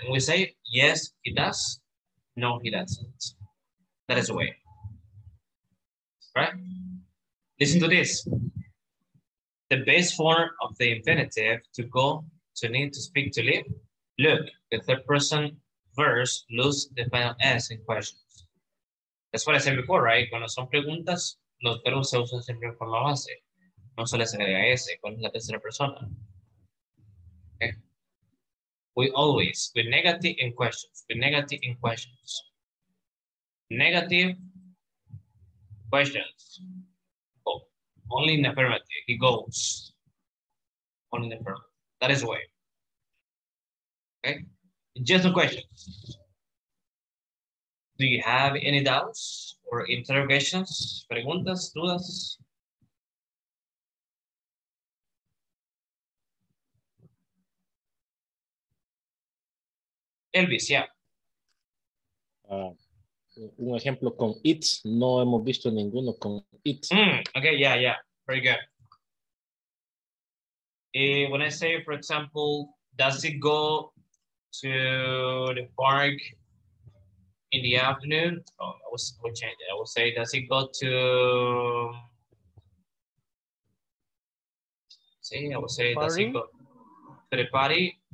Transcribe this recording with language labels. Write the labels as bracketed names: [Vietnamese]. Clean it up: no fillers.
[English] And we say, yes, he does. No, he doesn't. That is the way. Right? Listen to this. The base form of the infinitive to go, to need, to speak, to live. Look, the third person verse lose the final S in questions. That's what I said before, right? [Spanish] Cuando son preguntas, los verbos se usan siempre en forma base. No se les agrega S, con la tercera persona. [English] Okay. We always, with negative in questions, with negative in questions. Negative questions. Oh, only in affirmative, he goes. Only in affirmative, that is why. Okay, just a question. Do you have any doubts or interrogations, [Spanish] preguntas, dudas? [English] Elvis, yeah. [Spanish] Un ejemplo con it, no hemos visto ninguno con it. [English] Okay, yeah, yeah, very good. When I say, for example, does it go to the park in the afternoon? Oh, I will change it. I will say, does it go to, see, I will say, party? Does it go to the party?